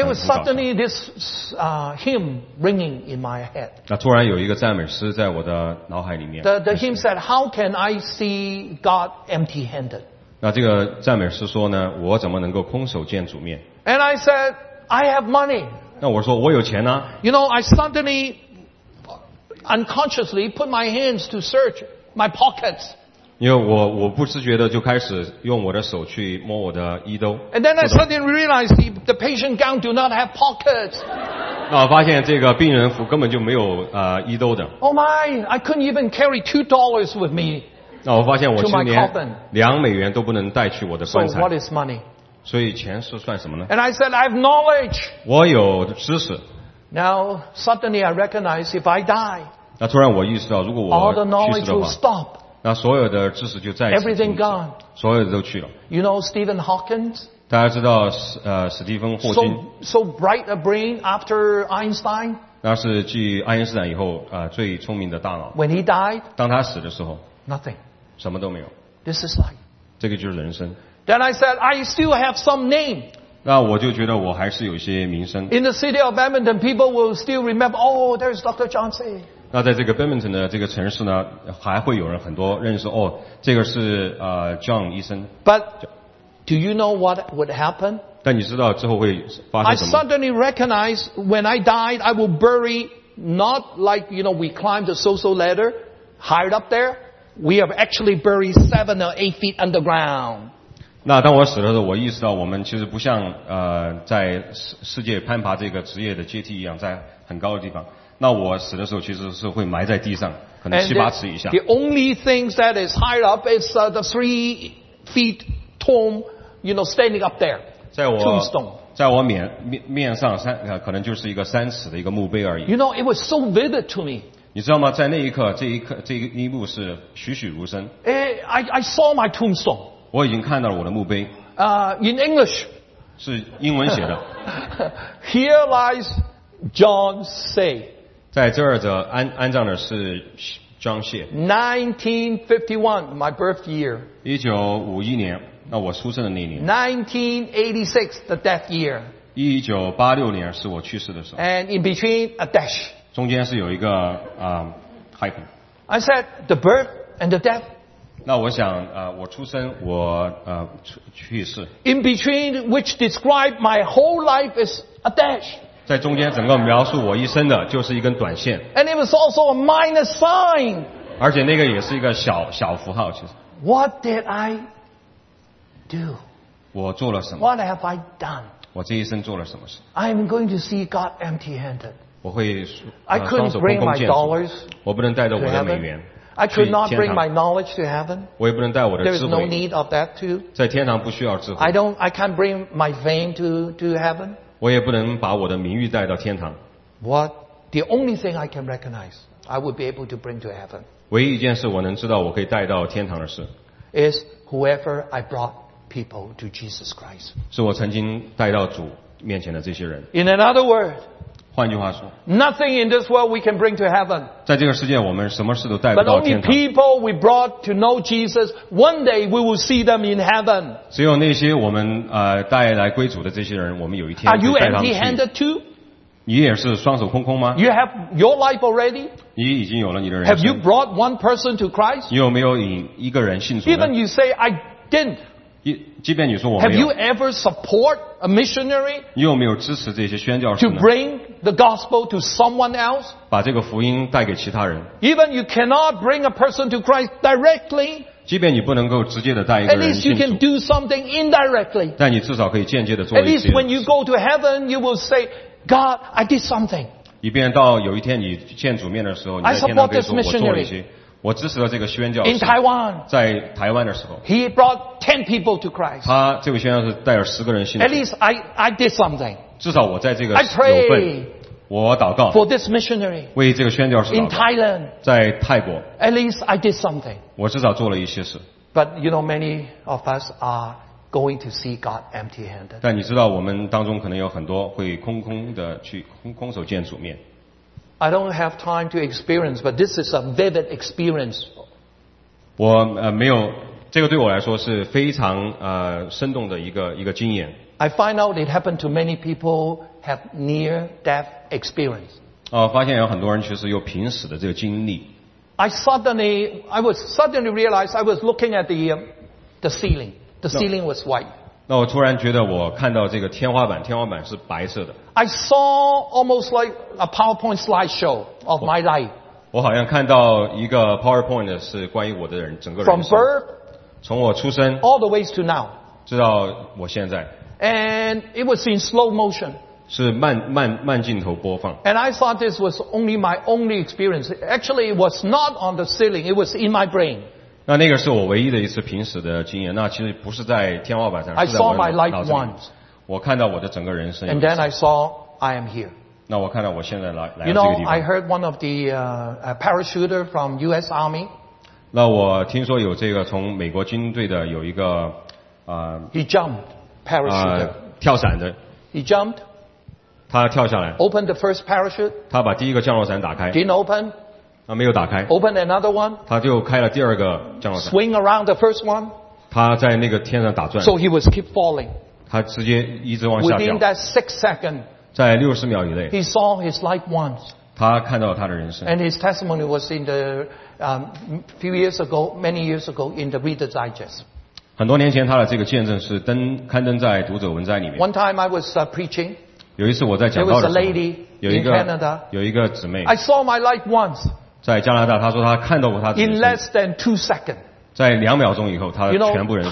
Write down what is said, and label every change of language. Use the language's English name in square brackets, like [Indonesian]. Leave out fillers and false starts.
[English] There was suddenly this hymn ringing in my head. [Chinese] 那突然有一个赞美诗在我的脑海里面。 [English] The hymn said, "How can I see God empty-handed?" [Chinese] 那这个赞美诗说呢，我怎么能够空手见主面 [English] ？And I said. I have money. [Chinese] 那我说我有钱呢、啊。 [English] You know, I suddenly, unconsciously put my hands to search my pockets. [Chinese] 因为我不自觉的就开始用我的手去摸我的衣兜。 [English] And then I suddenly realized the patient gown do not have pockets. [Chinese] 那我发现这个病人服根本就没有衣兜的。 [English] Oh my! I couldn't even carry $2 with me. [Chinese] 那我发现我今年$2都不能带去我的棺材。 [English] So what is money? [Chinese] 所以钱是算什么呢 [English] ？And I said I have knowledge. [Chinese] 我有知识。 [English] Now suddenly I recognize if I die. [Chinese] 那突然我意识到，如果我去世的话 [English] ，all the knowledge will stop. [Chinese] 那所有的知识就在 [English] Everything gone. [Chinese] 所有的都去了。 [English] You know Stephen Hawking? [Chinese] 大家知道史蒂芬霍金。 [English] So bright a brain after Einstein. [Chinese] 那是继爱因斯坦以后最聪明的大脑。 [English] When he died? [Chinese] 当他死的时候 [English] ，nothing. [Chinese] 什么都没有。 [English] This is life. [Chinese] 这个就是人生。 [English] Then I said, I still have some name. [Chinese] 那我就觉得我还是有些名声。 [English] In the city of Edmonton, people will still remember. Oh, there's Dr. Johnson. [Chinese] 那在这个 Edmonton 的这个城市呢，还会有人很多认识。哦，这个是John 医生。 [English] But do you know what would happen? [Chinese] 但你知道之后会发生什么 [English] ？I suddenly recognize when I died, I will bury not like you know we climb the social ladder, hide up there. We have actually buried 7 or 8 feet underground. [Chinese] 那当我死的时候，我意识到我们其实不像在世界攀爬这个职业的阶梯一样，在很高的地方。那我死的时候其实是会埋在地上，可能七八尺以下。 [English] The only things that is higher up is the 3 feet tomb, you know, standing up there. [Chinese] 在我面上可能就是一个三尺的一个墓碑而已。 [English] You know, it was so vivid to me. [Chinese] 你知道吗？在那一刻，这一幕是栩栩如生。 [English] I saw my tombstone. [Chinese] 我已经看到了我的墓碑。 [English] In English, [Chinese] 是英文写的。 [English] Here lies John Say. [Chinese] 在这儿的安葬的是 John Say. [English] 1951, my birth year. [Chinese] 1951年，那我出生的那一年。 [English] 1986, the death year. [Chinese] 1986年是我去世的时候。 [English] And in between a dash. [Chinese] 中间是有一个hyphen. [English] I said the birth and the death. [Chinese] 那我想我出生我去世 [English] in between which describe my whole life is a dash [Chinese] 在中间整个描述我一生的就是一根短线 [English] and it was also a minus sign [Chinese] 而且那个也是一个小符号其实 [English] what did I do [Chinese] 我做了什么 [English] what have I done [Chinese] 我这一生做了什么事 [English] I'm going to see God empty handed [Chinese] 我会 [English] I couldn't bring my dollars [Chinese] 我不能带着我的美元 [English] I could not bring my knowledge to heaven. [Chinese] 我也不能带我的智慧。 [English] There is no need of that too. [Chinese] 在天堂不需要智慧。 [English] I can't bring my fame to heaven. [Chinese] 我也不能把我的名誉带到天堂。 [English] What the only thing I can recognize, I would be able to bring to heaven. [Chinese] 唯一一件事我能知道我可以带到天堂的事。 [English] Is whoever I brought people to Jesus Christ. [Chinese] 是我曾经带到主面前的这些人。 [English] In another word. [Chinese] 换句话说 [English] ，Nothing in this world we can bring to heaven。 [Chinese] 在这个世界，我们什么事都带不到天堂。 [English] But only people we brought to know Jesus, one day we will see them in heaven。 [Chinese] 只有那些我们带来归主的这些人，我们有一天会带他们去。 [English] Are you empty-handed too? [Chinese] 你也是双手空空吗 [English] ？You have your life already。 [Chinese] 你已经有了你的人生。 [English] Have you brought one person to Christ? [Chinese] 你有没有引一个人信主呢 [English] ？Even you say I didn't。 [Chinese] 即便你说我没有 [English] ，Have you ever support a missionary? [Chinese] 你有没有支持这些宣教士 [English] ？To bring the gospel to someone else? [Chinese] 把这个福音带给其他人。 [English] Even you cannot bring a person to Christ directly. [Chinese] 即便你不能够直接的带一个人信主 [English] ，At least you can do something indirectly. [Chinese] 但你至少可以间接的做一些。 [English] At least when you go to heaven, you will say, God, I did something. [Chinese] 以便到有一天你见主面的时候，你在天堂可以说我做了一些。我支持了这个宣教士。 [English] In Taiwan, [Chinese] 在台湾的时候。 [English] He brought 10 people to Christ. [Chinese] 他这位宣教士带了10个人信主。 [English] At least I did something. [Chinese] 至少我在这个有份。我祷告。 [English] For this missionary. [Chinese] 为这个宣教士祷告。 [English] In Thailand. [Chinese] 在泰国。 [English] At least I did something. [Chinese] 我至少做了一些事。 [English] But you know, many of us are going to see God empty-handed. [Chinese] 但你知道我们当中可能有很多会空空的去空手见主面。 [English] I don't have time to experience, but this is a vivid experience. [Chinese] 我没有，这个对我来说是非常生动的一个经验。 [English] I find out it happened to many people have near-death experience. [Chinese] 发现有很多人其实有濒死的这个经历。 [English] I suddenly realized I was looking at the ceiling. The ceiling was white. [Chinese] 那我突然觉得我看到这个天花板是白色的。 [English] I saw almost like a PowerPoint slideshow of my life. [Chinese] 我好像看到一个 PowerPoint 是关于我的人整个人生。 [English] From birth, [Chinese] 从我出生 [English] all the ways to now. [Chinese] 直到我现在。 [English] And it was in slow motion. [Chinese] 是慢镜头播放。 [English] And I thought this was only my only experience. Actually, it was not on the ceiling. It was in my brain. [Chinese] 那个是我唯一的一次濒死的经验。那其实不是在天花板上，是在我的脑子里。 [English] I saw my life once. [Chinese] 我看到我的整个人生。 [English] And then I saw I am here. [Chinese] 那我看到我现在来到这个地方。 [English] You know, I heard one of the parachuter from U.S. Army. [Chinese] 那我听说有这个从美国军队的有一个 [English] He jumped parachuter. [Chinese] 跳伞的。 [English] He jumped. [Chinese] 他跳下来。 [English] Opened the first parachute. [Chinese] 他把第一个降落伞打开。 [English] Didn't open. [Chinese] 那没有打开。 [English] Opened another one. [Chinese] 他就开了第二个降落伞。 [English] Swing around the first one. [Chinese] 他在那个天上打转。 [English] So he was keep falling. [Chinese] 他直接一直往下掉。 [English] Within that 6 seconds, [Chinese] 在60秒以内 [English] he saw his life once. [Chinese] 他看到他的人生。 [English] And his testimony was in the few years ago, many years ago, in the Reader's Digest. [Chinese] 很多年前他的这个见证是刊登在读者文摘里面。 [English] One time I was preaching. [Chinese] 有一次我在讲道的时候 [English] There was a lady in Canada. [Chinese] 有一个姊妹。 [English] I saw my life once. [Chinese] 在加拿大他说他看到过他的人生。 [English] In less than 2 seconds. [Chinese] 在2秒钟以后他的全部人生。